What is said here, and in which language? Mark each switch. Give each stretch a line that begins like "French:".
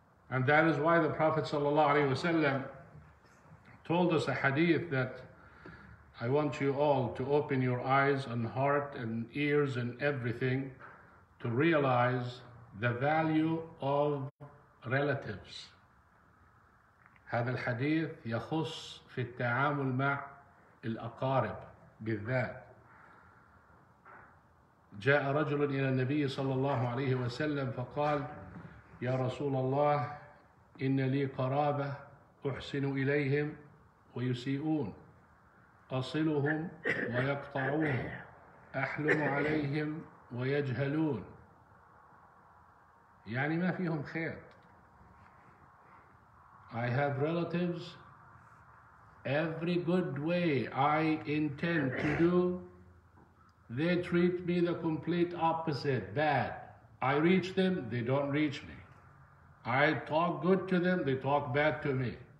English: And that is why the Prophet ﷺ told us a hadith that I want you all to open your eyes and heart and ears and everything to realize the value of relatives.
Arabic: هذا الحديث يخص في التعامل مع الأقارب بالذات. جاء رجل إلى النبي صلى الله عليه وسلم فقال: يا رسول الله، إن لي قرابة أحسن إليهم ويسيئون، أصلهم ويقطعون، أحلم عليهم ويجهلون، يعني ما فيهم خير.
English: I have relatives, every good way I intend to do, they treat me the complete opposite, bad. I reach them, they don't reach me. I talk good to them, they talk bad to me.